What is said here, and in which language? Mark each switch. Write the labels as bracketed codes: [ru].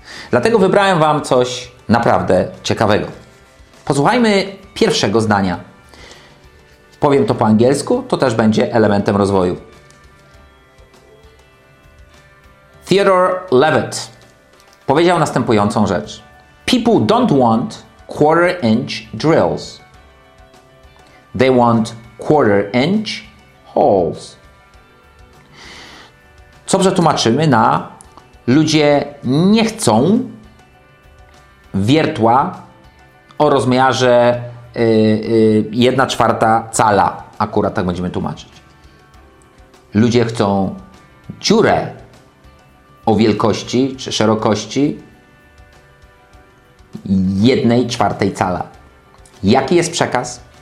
[pl] Dlatego wybrałem Wam coś naprawdę ciekawego. Posłuchajmy pierwszego zdania. Powiem to po angielsku, to też będzie elementem rozwoju. Theodore Levitt powiedział następującą rzecz. [en] People don't want quarter-inch drills. They want quarter-inch holes. [pl] Co przetłumaczymy na ludzie nie chcą wiertła o rozmiarze 1/4 cala. Akurat tak będziemy tłumaczyć. Ludzie chcą dziurę o wielkości czy szerokości 1/4 cala. Jaki jest przekaz?